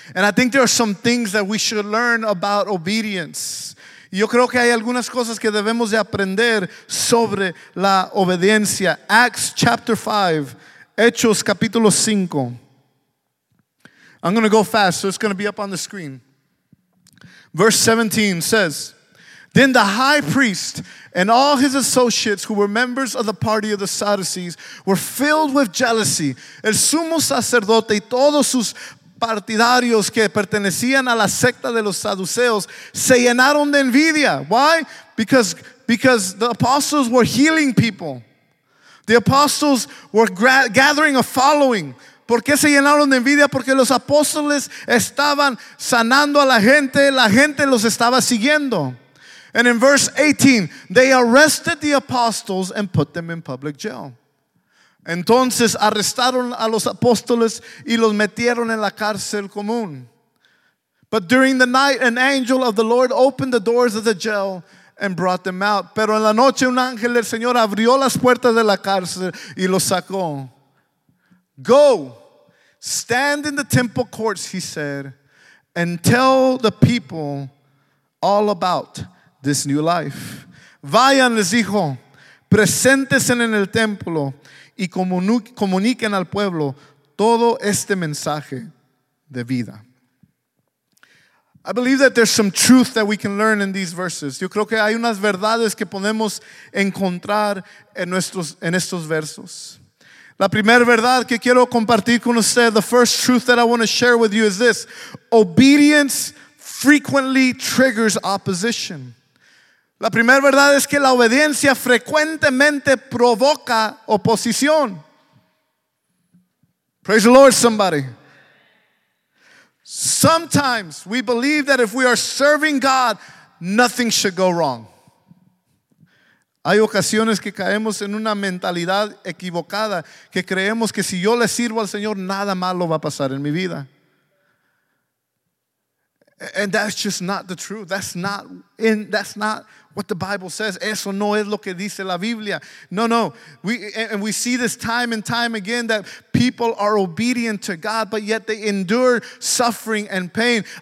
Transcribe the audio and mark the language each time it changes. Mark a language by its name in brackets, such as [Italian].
[English] And I think there are some things that we should learn about obedience. [Spanish] Yo creo que hay algunas cosas que debemos de aprender sobre la obediencia. [English] Acts chapter 5, [Spanish] Hechos capítulo 5. [English] I'm going to go fast, so it's going to be up on the screen. Verse 17 says, then the high priest and all his associates who were members of the party of the Sadducees were filled with jealousy. [Spanish] El sumo sacerdote y todos sus partidarios que pertenecían a la secta de los Saduceos se llenaron de envidia. [English] Why? Because the apostles were healing people. The apostles were gathering a following. [Spanish] ¿Por qué se llenaron de envidia? Porque los apóstoles estaban sanando a la gente los estaba siguiendo. [English] And in verse 18, they arrested the apostles and put them in public jail. [Spanish] Entonces arrestaron a los apóstoles y los metieron en la cárcel común. [English] But during the night, an angel of the Lord opened the doors of the jail and brought them out. [Spanish] Pero en la noche un ángel del Señor abrió las puertas de la cárcel y los sacó. [English] Go, stand in the temple courts, he said, and tell the people all about this new life. [Spanish] Vayan, les dijo, preséntense en el templo y comuniquen al pueblo todo este mensaje de vida. [English] I believe that there's some truth that we can learn in these verses. [Spanish] Yo creo que hay unas verdades que podemos encontrar en estos versos. La primera verdad que quiero compartir con usted, [English] the first truth that I want to share with you is this. Obedience frequently triggers opposition. [Spanish] La primera verdad es que la obediencia frecuentemente provoca oposición. [English] Praise the Lord, somebody. Sometimes we believe that if we are serving God, nothing should go wrong. [Spanish] Hay ocasiones que caemos en una mentalidad equivocada, que creemos que si yo le sirvo al Señor, nada malo va a pasar en mi vida. [English] And that's just not the truth. That's not what the Bible says. [Spanish] Eso no es lo que dice la Biblia. No. [English] We see this time and time again that people are obedient to God, but yet they endure suffering and pain.